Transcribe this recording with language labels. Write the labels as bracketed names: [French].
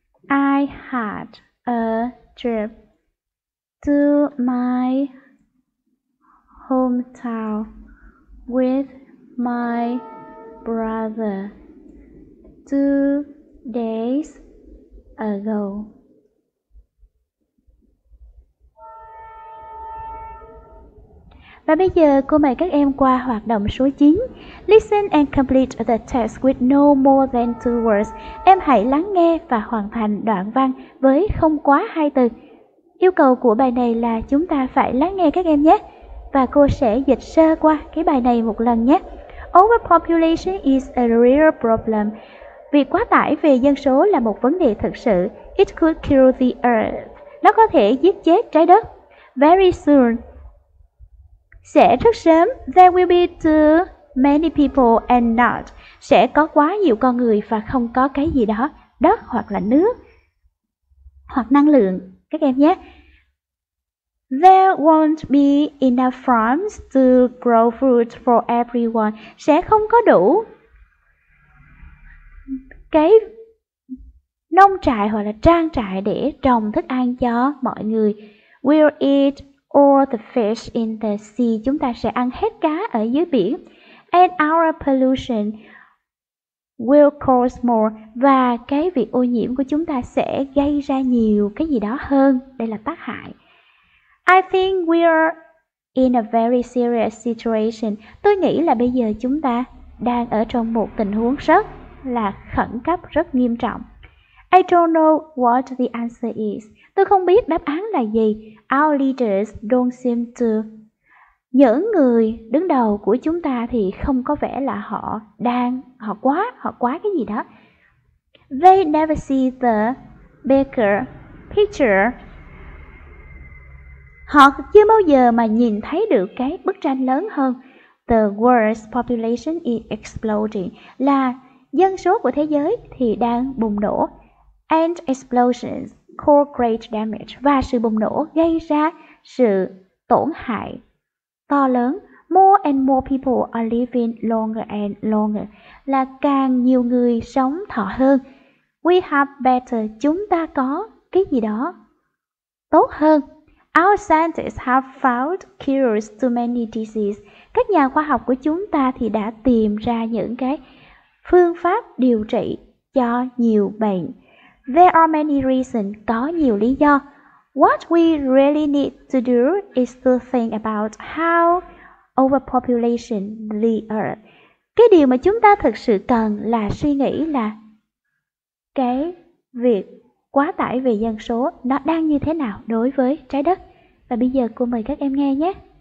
[English] I had a trip to my hometown with my brother 2 days ago. [Vietnamese] Và bây giờ cô mời các em qua hoạt động số 9. [English] Listen and complete the text with no more than 2 words. [Vietnamese] Em hãy lắng nghe và hoàn thành đoạn văn với không quá 2 từ. Yêu cầu của bài này là chúng ta phải lắng nghe các em nhé. Và cô sẽ dịch sơ qua cái bài này một lần nhé. [English] Overpopulation is a real problem. [Vietnamese] Việc quá tải về dân số là một vấn đề thực sự. [English] It could kill the earth. [Vietnamese] Nó có thể giết chết trái đất. [English] Very soon. [Vietnamese] Sẽ rất sớm, [English] there will be too many people and not. [Vietnamese] Sẽ có quá nhiều con người và không có cái gì đó, đất hoặc là nước, hoặc năng lượng, các em nhé. [English] There won't be enough farms to grow food for everyone. [Vietnamese] Sẽ không có đủ cái nông trại hoặc là trang trại để trồng thức ăn cho mọi người. [English] We'll eat all the fish in the sea. [Vietnamese] Chúng ta sẽ ăn hết cá ở dưới biển. [English] And our pollution will cause more. [Vietnamese] Và cái việc ô nhiễm của chúng ta sẽ gây ra nhiều cái gì đó hơn. Đây là tác hại. [English] I think we are in a very serious situation. [Vietnamese] Tôi nghĩ là bây giờ chúng ta đang ở trong một tình huống rất là khẩn cấp, rất nghiêm trọng. [English] I don't know what the answer is. [Vietnamese] Tôi không biết đáp án là gì. [English] Our leaders don't seem to. [Vietnamese] Những người đứng đầu của chúng ta thì không có vẻ là họ quá cái gì đó. [English] They never see the bigger picture. [Vietnamese] Họ chưa bao giờ mà nhìn thấy được cái bức tranh lớn hơn. [English] The world's population is exploding. [Vietnamese] Là dân số của thế giới thì đang bùng nổ. [English] And explosions cause great damage. [Vietnamese] Và sự bùng nổ gây ra sự tổn hại to lớn. [English] More and more people are living longer and longer. [Vietnamese] Là càng nhiều người sống thọ hơn. [English] We have better. [Vietnamese] Chúng ta có cái gì đó tốt hơn. [English] Our scientists have found cures to many diseases. [Vietnamese] Các nhà khoa học của chúng ta thì đã tìm ra những cái phương pháp điều trị cho nhiều bệnh. [English] There are many reasons, [Vietnamese] có nhiều lý do. [English] What we really need to do is to think about how overpopulation the earth. [Vietnamese] Cái điều mà chúng ta thực sự cần là suy nghĩ là cái việc quá tải về dân số nó đang như thế nào đối với trái đất. Và bây giờ cô mời các em nghe nhé.